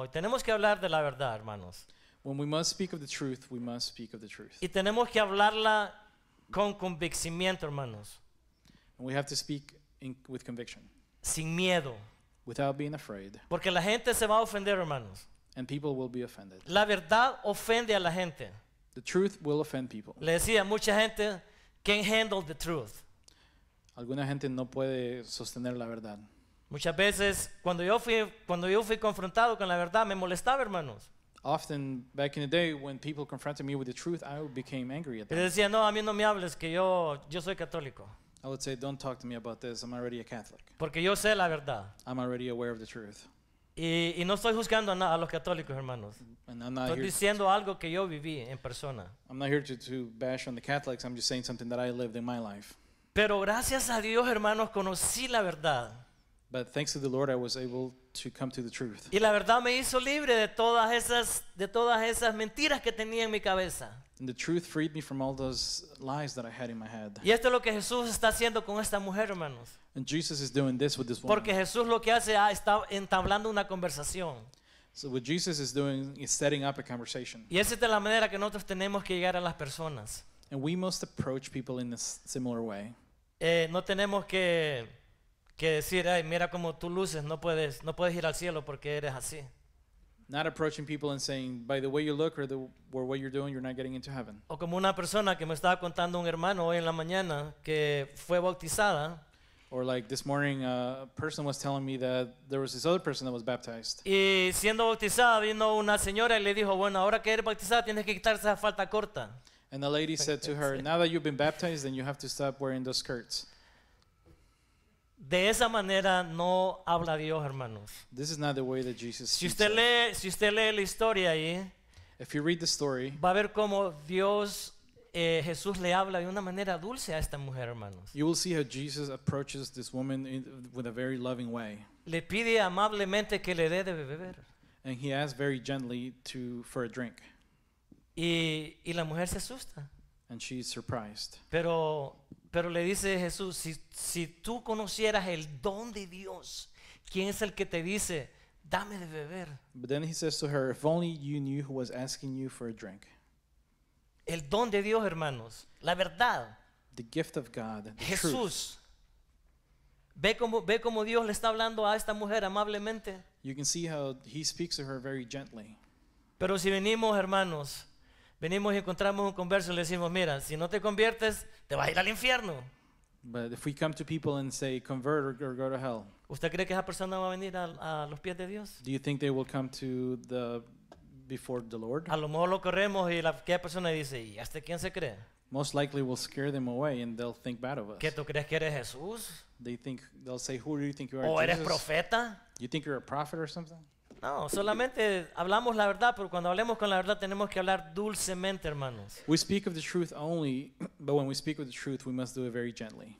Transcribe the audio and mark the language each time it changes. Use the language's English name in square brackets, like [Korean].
[Spanish] Hoy tenemos que hablar de la verdad, hermanos. [English] When we must speak of the truth, we must speak of the truth. [Spanish] Y tenemos que hablarla con convencimiento, hermanos. [English] And we have to speak with conviction. [Spanish] Sin miedo. [English] Without being afraid. [Spanish] Porque la gente se va a ofender, hermanos. [English] And people will be offended. [Spanish] La verdad ofende a la gente. [English] The truth will offend people. [Spanish] Le decía a mucha gente, [English] can handle the truth. [Spanish] Alguna gente no puede sostener la verdad. Muchas veces cuando yo fui confrontado con la verdad me molestaba, hermanos. [English] Often back in the day when people confronted me with the truth, I became angry at them. [Spanish] Les decía, no, a mí no me hables, que yo soy católico. [English] I would say, don't talk to me about this. I'm already a Catholic. [Spanish] Porque yo sé la verdad. [English] I'm already aware of the truth. [Spanish] Y no estoy juzgando a los católicos, hermanos. Estoy diciendo algo que yo viví en persona. [English] I'm not here to bash on the Catholics. I'm just saying something that I lived in my life. [Spanish] Pero gracias a Dios, hermanos, conocí la verdad. [English] But thanks to the Lord, I was able to come to the truth. [Spanish] Y la verdad me hizo libre de todas esas mentiras que tenía en mi cabeza. [English] And the truth freed me from all those lies that I had in my head. [Spanish] Y esto es lo que Jesús está haciendo con esta mujer, hermanos. [English] And Jesus is doing this with this woman. [Spanish] Porque Jesús lo que hace está entablando una conversación. [English] So what Jesus is doing is setting up a conversation. [Spanish] Y esa es la manera que nosotros tenemos que llegar a las personas. [English] And we must approach people in a similar way. [Spanish] No tenemos que decir, ay, mira cómo tú luces, no puedes ir al cielo porque eres así. [English] Not approaching people and saying, by the way you look or what you're doing, you're not getting into heaven. [Spanish] O como una persona que me estaba contando un hermano hoy en la mañana que fue bautizada. [English] Or like this morning, a person was telling me that there was this other person that was baptized. [Spanish] Y siendo bautizada vino una señora y le dijo, bueno, ahora que eres bautizada tienes que quitarse esa falda corta. [English] And the lady said to her, now that you've been baptized, then you have to stop wearing those skirts. [Spanish] De esa manera no habla Dios, hermanos. [English] This is not the way that Jesus speaks. [Spanish] Si usted lee la historia ahí, [English] if you read the story, [Spanish] va a ver cómo Dios, Jesús le habla de una manera dulce a esta mujer, hermanos. [English] You will see how Jesus approaches this woman with a very loving way. [Spanish] Le pide amablemente que le dé de beber. [English] And he asks very gently for a drink. [Spanish] Y la mujer se asusta. [English] And she's surprised. [Spanish] Pero le dice Jesús, si tú conocieras el don de Dios, ¿quién es el que te dice, dame de beber? [English] But then he says to her, if only you knew who was asking you for a drink. [Spanish] El don de Dios, hermanos, la verdad. [English] The gift of God, the [Spanish] Jesús. [English] Truth. [Spanish] Ve cómo Dios le está hablando a esta mujer amablemente. [English] You can see how he speaks to her very gently. [Spanish] Pero si venimos, hermanos, venimos y encontramos un converso y le decimos, mira, si no te conviertes, te vas a ir al infierno. [English] But if we come to people and say, convert or go to hell. [Spanish] ¿Usted cree que esa persona va a venir a los pies de Dios? [English] Do you think they will come to the before the Lord. [Spanish] A lo mejor lo corremos y la que persona dice, ¿y hasta quién se cree? [English] Most likely we'll scare them away and they'll think bad of us. [Spanish] ¿Qué tú crees que eres Jesús? [English] They think, they'll say, who do you think you are, [Spanish] ¿o eres profeta? [English] You think you're a prophet or something? [Spanish] No, solamente hablamos la verdad, pero cuando hablemos con la verdad tenemos que hablar dulcemente, hermanos. [English] We speak of the truth only, but when we speak of the truth, we must do it very gently.